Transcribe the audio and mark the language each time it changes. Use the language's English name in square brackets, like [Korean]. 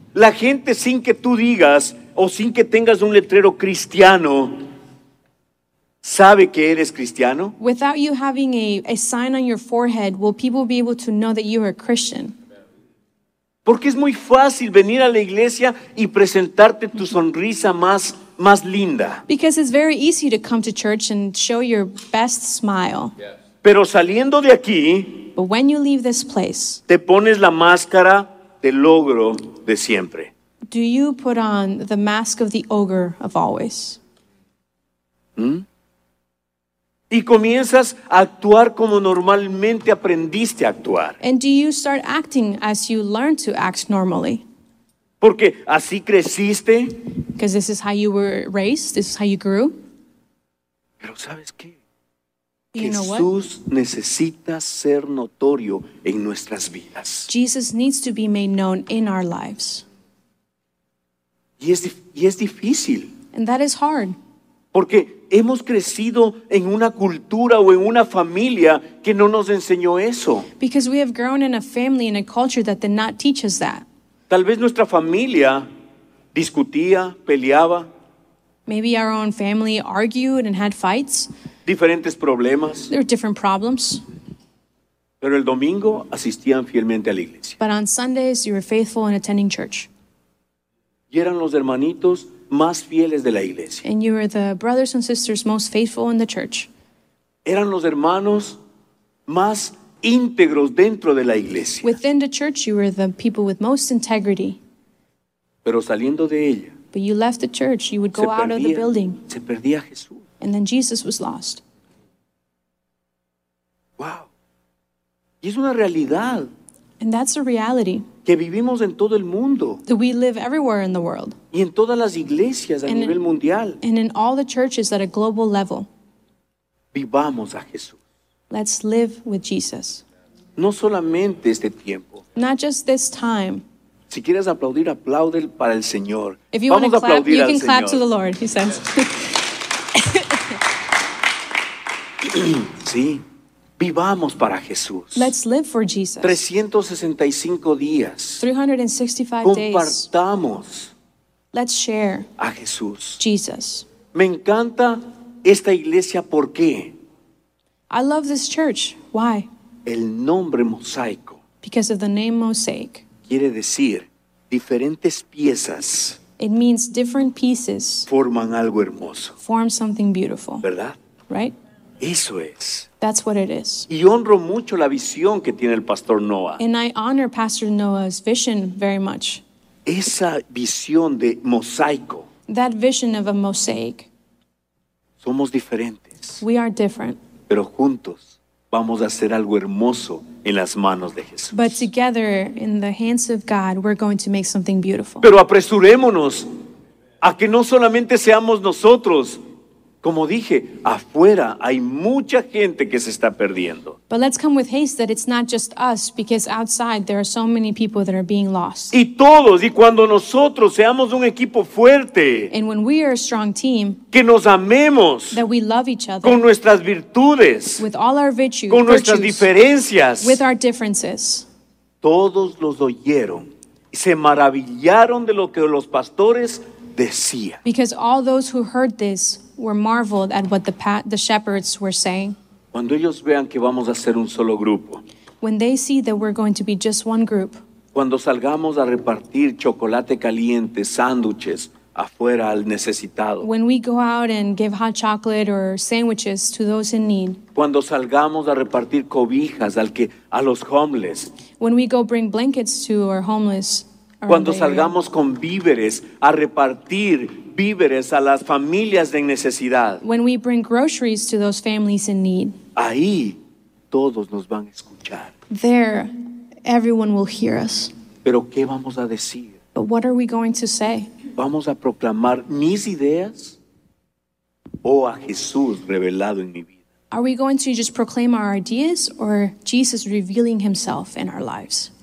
[Spanish] La gente sin que tú digas o sin que tengas un letrero cristiano, ¿sabe que eres cristiano? [English] Without you having a sign on your forehead, will people be able to know that you are a Christian? [Spanish] Porque es muy fácil venir a la iglesia y presentarte tu sonrisa más linda. [English] Because it's very easy to come to church and show your best smile. Yes. [Spanish] Pero saliendo de aquí, [English] but when you leave this place, [Spanish] te pones la máscara del ogro de siempre. [English] Do you put on the mask of the ogre of always? [Spanish] Y comienzas a actuar como normalmente aprendiste a actuar. [English] And do you start acting as you learn to act normally? [Spanish] Porque así creciste. [English] Because this is how you were raised. This is how you grew. [Spanish] Pero ¿sabes qué? Jesús necesita ser notorio en nuestras vidas. [English] Jesus needs to be made known in our lives. [Spanish] Y es difícil. [English] And that is hard. [Spanish] Porque hemos crecido en una cultura o en una familia que no nos enseñó eso. [English] Because we have grown in a family, in a culture that did not teach us that. [Spanish] Tal vez nuestra familia discutía, peleaba. [English] Maybe our own family argued and had fights. [Spanish] Diferentes problemas. [English] There are different problems. [Spanish] Pero el domingo asistían fielmente a la iglesia. [English] But on Sundays you were faithful in attending church. [Spanish] Y eran los hermanitos más fieles de la iglesia. [English] And you were the brothers and sisters most faithful in the church. [Spanish] Eran los hermanos más íntegros dentro de la iglesia. [English] Within the church you were the people with most integrity. [Spanish] Pero saliendo de ella. [English] But you left the church. You would go out of the building. [Spanish] Se perdía Jesús. [English] And then Jesus was lost. [Spanish] Wow. Y es una realidad. [English] And that's a reality. [Spanish] Que vivimos en todo el mundo. [English] That we live everywhere in the world. [Spanish] Y en todas las iglesias a nivel mundial. [English] And in all the churches at a global level. [Spanish] Vivamos a Jesús. [English] Let's live with Jesus. [Spanish] No solamente este tiempo. [English] Not just this time. [Spanish] Si quieres aplaudir, aplaude para el Señor. [English] If you want to clap, you can clap to the Lord, he says. [Spanish] Sí, vivamos para Jesús. [English] Let's live for Jesus. [Spanish] 365 días. [English] 365 days. [Spanish] Compartamos. [English] Let's share. [Spanish] A Jesús. [English] Jesus. [Spanish] Me encanta esta iglesia, ¿por qué? [English] I love this church. Why? [Spanish] El nombre mosaico. [English] Because of the name mosaic. [Spanish] Quiere decir diferentes piezas. [English] It means different pieces. [Spanish] Forman algo hermoso. [English] Form something beautiful. [Spanish] ¿Verdad? [English] Right? [Spanish] Eso es. [English] That's what it is. [Spanish] Y honro mucho la visión que tiene el pastor Noah. [English] And I honor Pastor Noah's vision very much. [Spanish] Esa visión de mosaico. [English] That vision of a mosaic. [Spanish] Somos diferentes. [English] We are different. [Spanish] Pero juntos vamos a hacer algo hermoso en las manos de Jesús. [English] But together, in the hands of God, we're going to make something beautiful. [Spanish] Pero apresurémonos a que no solamente seamos nosotros. Como dije, afuera hay mucha gente que se está perdiendo. [English] But let's come with haste that it's not just us, because outside there are so many people that are being lost. [Spanish] Y todos, y cuando nosotros seamos un equipo fuerte. [English] And when we are a strong team. [Spanish] Que nos amemos. [English] That we love each other. [Spanish] Con nuestras virtudes. [English] With all our virtues. [Spanish] Con nuestras diferencias. [English] With our differences. [Spanish] Todos los oyeron y se maravillaron de lo que los pastores decían. [English] Because all those who heard this were marveled at what the shepherds were saying. [Spanish] Cuando ellos vean que vamos a ser un solo grupo. [English] When they see that we're going to be just one group. [Spanish] Cuando salgamos a repartir chocolate caliente, sándwiches afuera al necesitado. [English] When we go out and give hot chocolate or sandwiches to those in need. [Spanish] Cuando salgamos a repartir cobijas a los homeless. [English] When we go bring blankets to our homeless. [Spanish] Cuando salgamos con víveres a repartir víveres a las familias en necesidad. [English] When we bring groceries to those families in need. [Spanish] Ahí todos nos van a escuchar. [English] There, everyone will hear us. [Spanish] Pero ¿qué vamos a decir? [English] But what are we going to say? [Spanish] ¿Vamos a proclamar mis ideas o a Jesús revelado en mi vida? [English] Are we going to just proclaim our ideas or Jesus revealing himself in our lives?